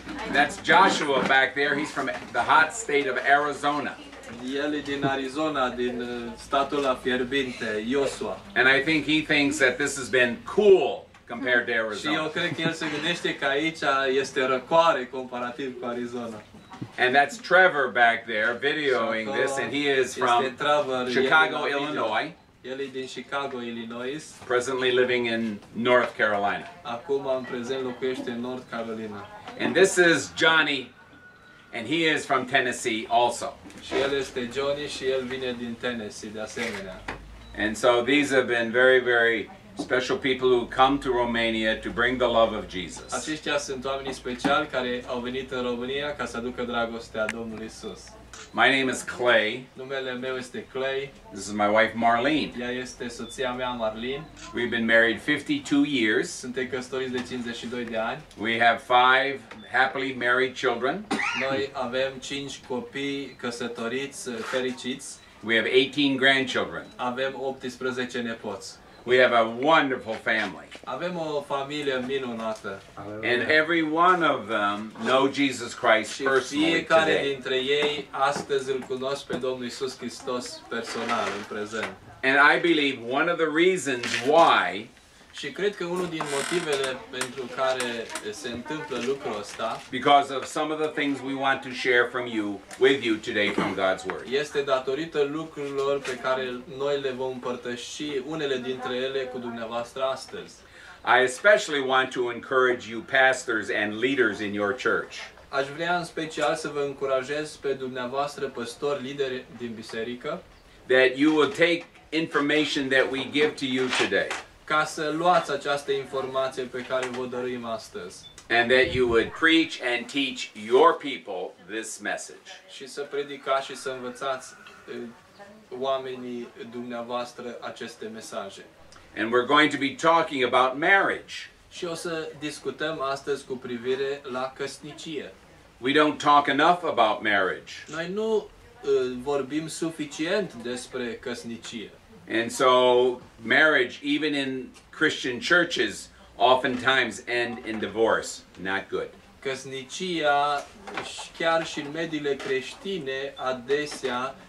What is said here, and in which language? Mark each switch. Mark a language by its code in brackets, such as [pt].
[en] That's Joshua back there. He's from the hot state of Arizona. [ro] El e din Arizona, din statul a fierbinte, Joshua. [en] And I think he thinks that this has been cool compared to Arizona. [ro] Și eu cred că el se gândește că aici este răcoare comparativ cu Arizona. [en] And that's Trevor back there videoing this, and he is from Chicago, Illinois. [ro] El e din Chicago, Illinois. [en] Presently living in North Carolina. [ro] Acum în prezent locuiește în North Carolina. [en] And this is Johnny. And he is from Tennessee also. [ro] Și el este Johnny și el vine din Tennessee de asemenea. [en] And so these have been very, very special people who come to Romania to bring the love of Jesus. [ro] Aceștia sunt oamenii speciali care au venit în România ca să aducă dragostea Domnului Isus. [en] My name is Clay. [ro] Numele meu este Clay. [en] This is my wife Marlene. [ro] Ea este soția mea Marlene. [en] We've been married 52 years. [ro] Suntem căsătoriți de 52 de ani. [en] We have 5 happily married children. [ro] Noi avem 5 copii căsătoriți fericiți. [en] We have 18 grandchildren. [ro] Avem 18 nepoți. [en] We have a wonderful family. [ro] Avem o familie minunată. [en] And every one of them know Jesus Christ personally today. [ro] Fiecare dintre ei astăzi îl cunosc pe Domnul Iisus Hristos personal în prezent. [en] And I believe one of the reasons why. [ro] Și cred că unul din motivele pentru care se întâmplă lucrul ăsta. [en] Because of some of the things we want to share from you with you today from God's word. [ro] Este datorită lucrurilor pe care noi le vom împărtăși unele dintre ele cu dumneavoastră astăzi. [en] I especially want to encourage you pastors and leaders in your church. [ro] Aș vrea în special să vă încurajez pe dumneavoastră păstori lideri din biserică. [en] That you will take information that we give to you today. [ro] Ca să luați această informație pe care vă dăruim astăzi. [en] And that you would preach and teach your people this message. [ro] Și să predicați și să învățați oamenii dumneavoastră aceste mesaje. [en] And we're going to be talking about marriage. [ro] Și o să discutăm astăzi cu privire la căsnicie. [en] We don't talk enough about marriage. [ro] Noi nu vorbim suficient despre căsnicie. [en] And so marriage, even in Christian churches, oftentimes end in divorce. Not good. [ro] Căsnicia, chiar și în mediile creștine, adesea